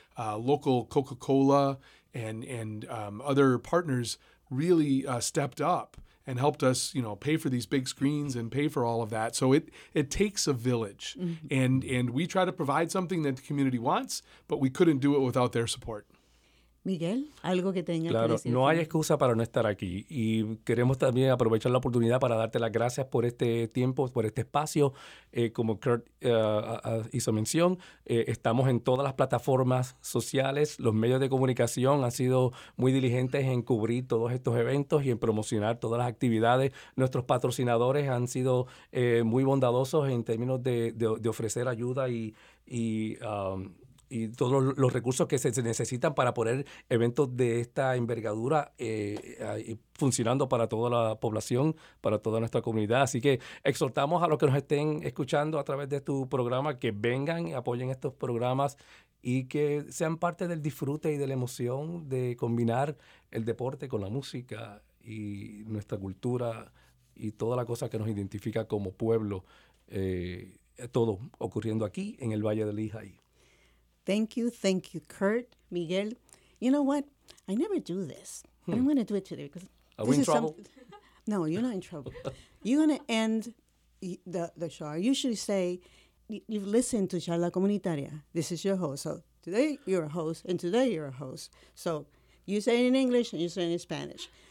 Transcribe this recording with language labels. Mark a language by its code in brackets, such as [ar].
[en] Local Coca-Cola and other partners really stepped up and helped us, you know, pay for these big screens and pay for all of that. So it takes a village. Mm-hmm. And we try to provide something that the community wants, but we couldn't do it without their support. [es] Miguel, algo que tenga claro, que decir. Claro, no hay excusa para no estar aquí. Y queremos también aprovechar la oportunidad para darte las gracias por este tiempo, por este espacio. Como Kurt hizo mención, estamos en todas las plataformas sociales. Los medios de comunicación han sido muy diligentes en cubrir todos estos eventos y en promocionar todas las actividades. Nuestros patrocinadores han sido muy bondadosos en términos de ofrecer ayuda y todos los recursos que se necesitan para poner eventos de esta envergadura funcionando para toda la población, para toda nuestra comunidad. Así que exhortamos a los que nos estén escuchando a través de tu programa que vengan y apoyen estos programas y que sean parte del disfrute y de la emoción de combinar el deporte con la música y nuestra cultura y toda la cosa que nos identifica como pueblo, todo ocurriendo aquí en el Valle del Lehigh. [en] Thank you, Kurt, Miguel. You know what? I never do this, but I'm going to do it today because are we this in trouble? No, you're not in trouble. You're going to end the show. I usually say you've listened to Charla Comunitaria. This is your host. So today you're a host, and today you're a host. So you say it in English, and you say it in Spanish.